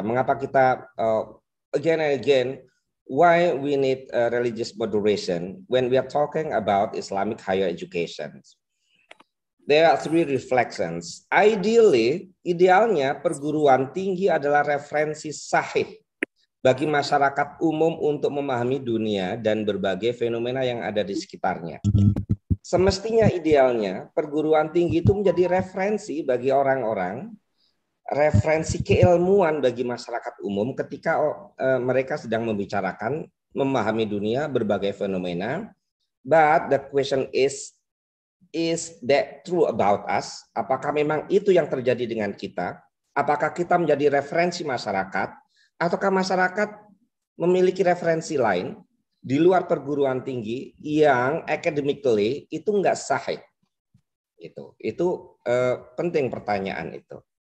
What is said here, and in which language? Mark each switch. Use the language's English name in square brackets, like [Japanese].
[Indonesian] Mengapa kita, [English] again and again, why we need religious moderation when we are talking about Islamic higher education. There are three reflections. Ideally, [Indonesian] idealnya perguruan tinggi adalah referensi sahih bagi masyarakat umum untuk memahami dunia dan berbagai fenomena yang ada di sekitarnya. Semestinya idealnya perguruan tinggi itu menjadi referensi bagi orang-orang, referensi keilmuan bagi masyarakat umum ketika mereka sedang membicarakan, memahami dunia, berbagai fenomena. [English] But the question is that true about us? [Indonesian] Apakah memang itu yang terjadi dengan kita? Apakah kita menjadi referensi masyarakat? Ataukah masyarakat memiliki referensi lain di luar perguruan tinggi yang academically itu enggak sahih? Itu penting pertanyaan itu.